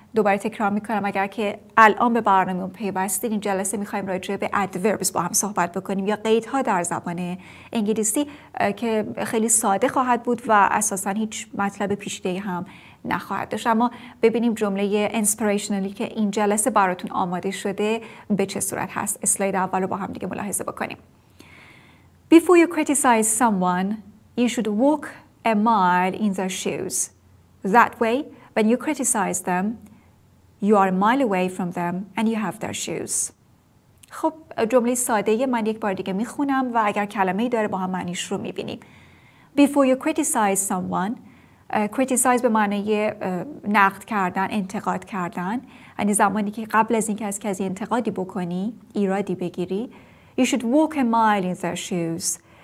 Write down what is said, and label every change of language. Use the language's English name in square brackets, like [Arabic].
[Persian] دوباره تکرار میکنم، اگر که الان به برنامه پیوستید، این جلسه میخواییم راجع به adverbs با هم صحبت بکنیم یا قیدها در زبان انگلیسی که خیلی ساده خواهد بود و اساسا هیچ مطلب پیچیده‌ای هم نخواهد داشت. اما ببینیم جمله اینسپریشنالی که این جلسه براتون آماده شده به چه صورت هست. اسلاید اول رو با هم دیگه ملاحظه بکنیم. [English] Before you criticize someone, you should walk a mile in their shoes. That way, when you criticize them, you are a mile away from them and you have their shoes. [Persian] خب جمله ساده ای، من یک بار دیگه میخونم و اگر کلمه ای داره با هم معنیش رو میبینیم. [English] Before you criticize someone, criticize [Persian] به معنی نقد کردن، انتقاد کردن، یعنی زمانی که قبل از اینکه از کسی انتقادی بکنی، ایرادی بگیری، [English] You should walk a mile in their shoes.